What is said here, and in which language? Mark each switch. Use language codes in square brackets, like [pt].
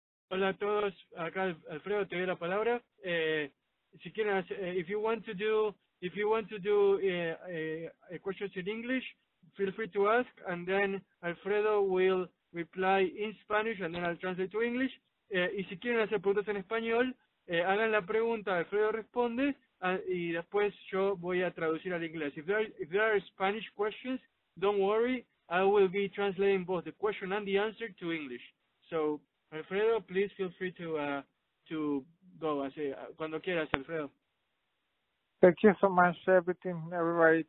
[es] Hola a todos. Acá Alfredo, te doy la palabra. Si quieres, [en] if you want to do a question in English, feel free to ask, and then Alfredo will reply in Spanish, and then I'll translate to English. [es] Y si quieren hacer preguntas en español, hagan la pregunta, Alfredo responde, y después yo voy a traducir al inglés. [en] If there are Spanish questions, don't worry, I will be translating both the question and the answer to English. So, Alfredo, please feel free to go, [es] cuando quieras, Alfredo. [en] Thank you so much, everybody.